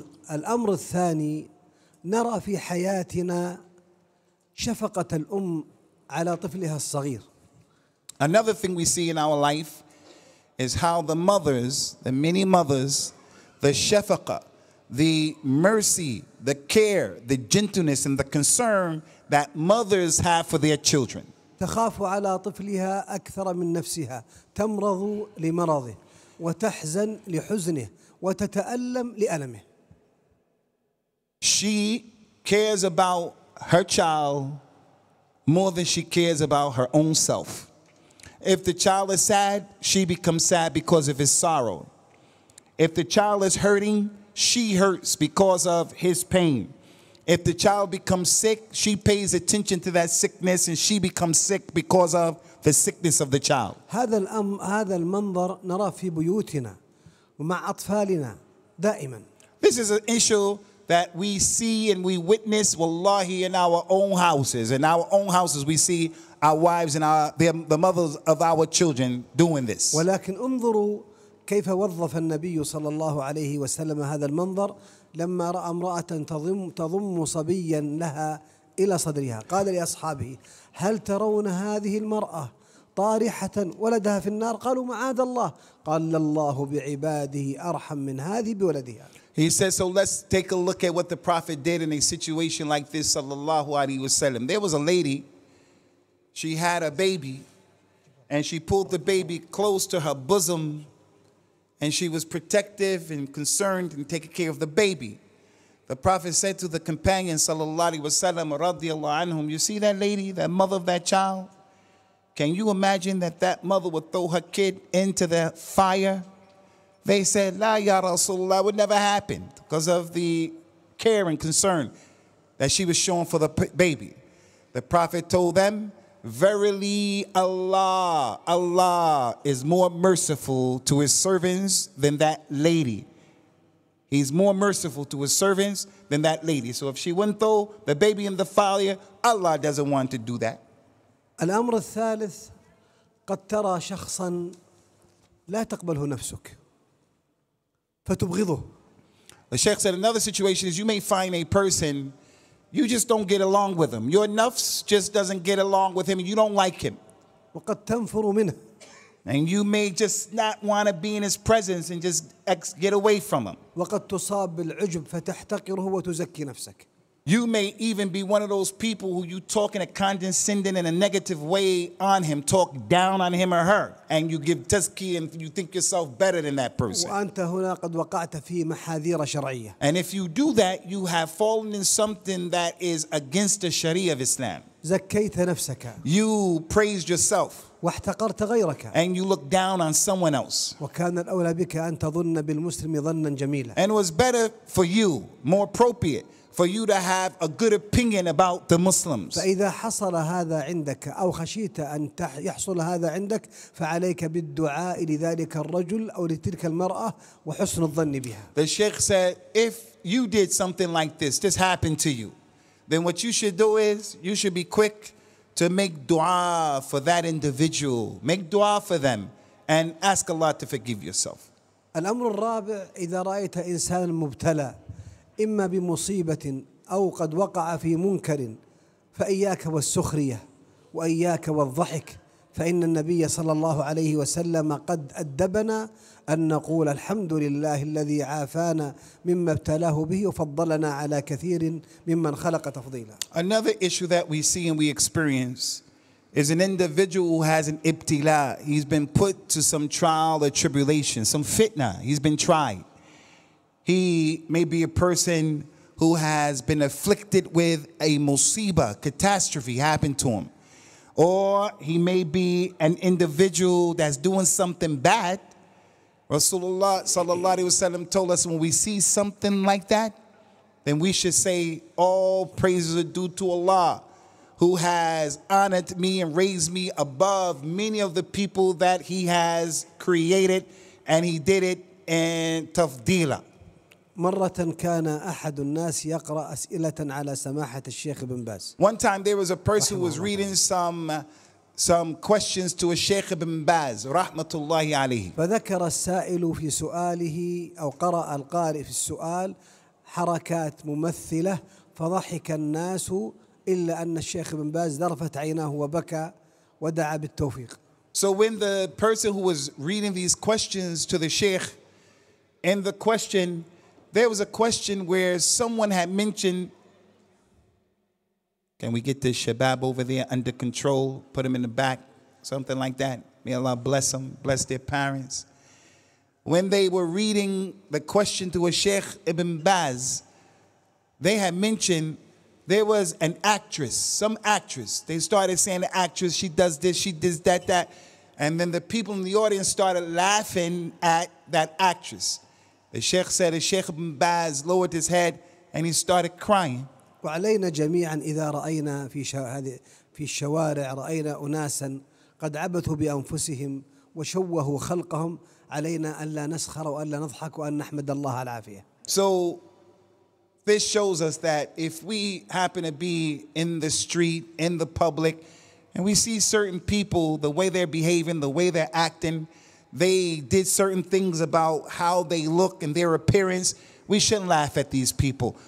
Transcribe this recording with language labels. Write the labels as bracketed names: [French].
[Arabic] الأمر الثاني نرى في حياتنا شفقة الأم على طفلها الصغير. [English] Another thing we see in our life is how the mothers, the many mothers, the shafaqah, the mercy, the care, the gentleness and the concern that mothers have for their children. [Arabic] تخاف على طفلها أكثر من نفسها تمرض لمرضه وتحزن لحزنه وتتألم لألمه. [English] She cares about her child more than she cares about her own self. If the child is sad, she becomes sad because of his sorrow. If the child is hurting, she hurts because of his pain. If the child becomes sick, she pays attention to that sickness and she becomes sick because of the sickness of the child. [Arabic] هذا هذا المنظر نراه في بيوتنا ومع أطفالنا دائما. [English] This is an issue that we see and we witness, wallahi, in our own houses. In our own houses, we see our wives and the mothers of our children doing this. [Arabic] ولكن انظروا كيف وظف النبي صلى الله عليه وسلم هذا المنظر لما رأى امرأة تضم صبيا لها إلى صدرها. قال لأصحابه: هل ترون هذه المرأة طارحة ولدها في النار؟ قالوا: معاذ الله. قال: الله بعباده أرحم من هذه بولدها. [English] He says, so let's take a look at what the Prophet did in a situation like this, sallallahu alayhi wasallam. There was a lady, she had a baby, and she pulled the baby close to her bosom, and she was protective and concerned and taking care of the baby. The Prophet said to the companion, sallallahu alayhi wasallam, radiallahu anhum, you see that lady, that mother of that child? Can you imagine that that mother would throw her kid into the fire? They said, [Arabic] la ya Rasulullah, [English] it would never happen because of the care and concern that she was showing for the baby. The Prophet told them, verily Allah, Allah is more merciful to his servants than that lady. He's more merciful to his servants than that lady. So if she wouldn't throw the baby in the fire, Allah doesn't want to do that. [Arabic] الأمر الثالث قد ترى شخصا لا تقبله نفسك فتبغضه. [English] The Shaykh said another situation is you may find a person, you just don't get along with him. Your nafs just doesn't get along with him and you don't like him. [Arabic] وقد تنفر منه. [English] And you may just not want to be in his presence and just get away from him. [Arabic] وقد تصاب بالعجب فتحتقره وتزكي نفسك. [English] You may even be one of those people who you talk in a condescending and a negative way on him, talk down on him or her, and you give tazki and you think yourself better than that person. [Arabic] وأنت هنا قد وقعت في محاذير شرعية. [English] And if you do that, you have fallen in something that is against the Sharia of Islam. [Arabic] زكيت نفسك. [English] You praised yourself. [Arabic] واحتقرت غيرك. [English] And you look down on someone else. [Arabic] وكان الأولى بك أن تظن بالمسلم ظنا جميلا. [English] And it was better for you, more appropriate, for you to have a good opinion about the Muslims. [Arabic] فإذا حصل هذا عندك أو خشيت أن يحصل هذا عندك فعليك بالدعاء لذلك الرجل أو لتلك المرأة وحسن الظن بها. [English] The Sheikh said, if you did something like this, this happened to you, then what you should do is you should be quick to make dua for that individual, make dua for them, and ask Allah to forgive yourself. [Arabic] الأمر الرابع إذا رأيت إنسان مبتلى إما بمصيبة أو قد وقع في منكر فإياك والسخرية وإياك والضحك فإن النبي صلى الله عليه وسلم قد أدبنا أن نقول الحمد لله الذي عافانا مما ابتلاه به وفضلنا على كثير ممن خلق تفضيلا. [English] Another issue that we see and we experience is an individual who has an ibtila. He's been put to some trial or tribulation, some fitna. He's been tried. He may be a person who has been afflicted with a musiba, catastrophe happened to him. Or he may be an individual that's doing something bad. Rasulullah sallallahu alayhi wasallam told us when we see something like that, then we should say, all praises are due to Allah who has honored me and raised me above many of the people that he has created and he did it in tafdila. [Arabic] مرة كان أحد الناس يقرأ أسئلة على سماحة الشيخ ابن باز. [English] One time there was a person who was reading some questions to a Sheikh ibn Baz, [Arabic] رحمة الله عليه. فذكر السائل في سؤاله أو قرأ القارئ في السؤال حركات ممثلة فضحك الناس إلا أن الشيخ ابن باز ذرفت عيناه وبكى ودعا بالتوفيق. [English] So when the person who was reading these questions to the Sheikh, in the question there was a question where someone had mentioned, can we get this Shabab over there under control, put him in the back, something like that. May Allah bless them, bless their parents. When they were reading the question to a Sheikh Ibn Baz, they had mentioned there was an actress, some actress. They started saying, the actress, she does this, she does that, that. And then the people in the audience started laughing at that actress. The Shaykh said, Shaykh ibn Baz lowered his head and he started crying. [Arabic] وعلينا جميعا إذا رأينا في هذه في الشوارع رأينا أناسا قد عبثوا بأنفسهم وشوهوا خلقهم علينا ألا نسخر وألا نضحك وأن نحمد الله على العافية. [English] So this shows us that if we happen to be in the street, in the public, and we see certain people, the way they're behaving, the way they're acting, they did certain things about how they look and their appearance, we shouldn't laugh at these people.